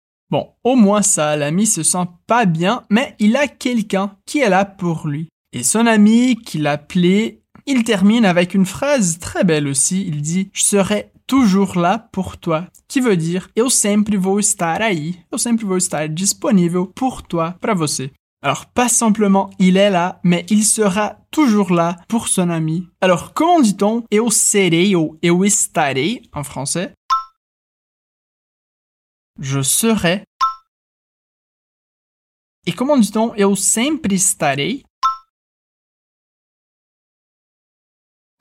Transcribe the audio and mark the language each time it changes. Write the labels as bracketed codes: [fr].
[fr] Bon, au moins ça, l'ami se sent pas bien, mais il a quelqu'un qui est là pour lui. Et son ami qui l'a appelé, Il termine avec une phrase très belle aussi. Il dit « Je serai toujours là pour toi ». Qui veut dire [pt] « Eu sempre vou estar aí ». Eu sempre vou estar disponível [fr] pour toi, [pt] para você. [fr] Alors, pas simplement « Il est là », mais « Il sera toujours là pour son ami ». Alors, comment dit-on « [pt] Eu serei ou eu estarei [fr] » en français ? Je serai. Et comment dit-on « [pt] Eu sempre estarei » ?